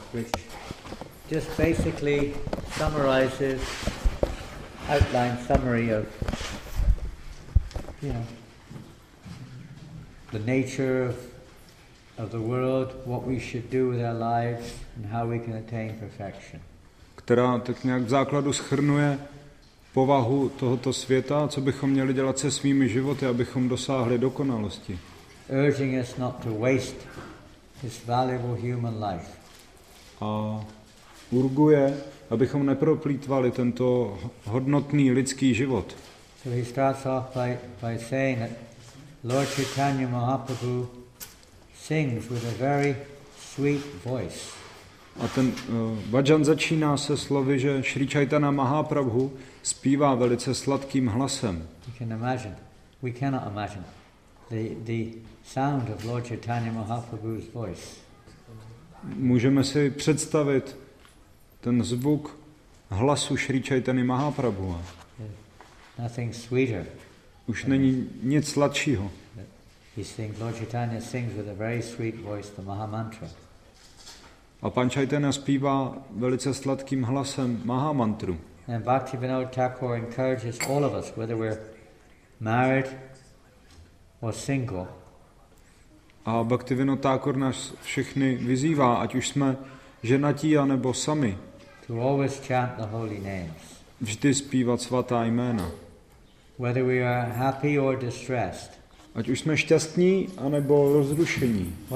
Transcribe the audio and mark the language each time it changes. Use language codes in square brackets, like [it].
[en] Which just basically summarizes, outline summary of, you know, the nature of the world, what we should do with our lives, and how we can attain perfection. [cs] Která tak nějak v základu shrnuje povahu tohoto světa, co bychom měli dělat se svými životy, abychom dosáhli dokonalosti. [en] Urging us not to waste this valuable human life. [cs] A urguje, abychom neproplýtvali tento hodnotný lidský život. [en] So he starts off by saying that Lord Chaitanya Mahaprabhu sings with a very sweet voice. [cs] A ten bhajan začíná se slovy, že Sri Chaitanya Mahaprabhu zpívá velice sladkým hlasem. [en] You can imagine. We cannot imagine the sound of Lord Chaitanya Mahaprabhu's voice. [cs] Můžeme si představit ten zvuk hlasu Sri Chaitany Mahaprabhu. [en] Nothing sweeter. [cs] Už není nic sladšího. [en] Lord Chaitanya sings with a very sweet voice the Maha Mantra. [cs] A pan Chaitanya zpívá velice sladkým hlasem Maha Mantru. [en] And Bhaktivinoda Thakur encourages all of us, whether we're married or single. [cs] A Bhaktivinoda Thakur nás všechny vyzývá, ať už jsme ženatí a nebo sami. [en] To always chant the holy names. [cs] Vždy zpívat svatá jména. [en] Whether we are happy or distressed. [cs] Ať už jsme šťastní, anebo rozrušení.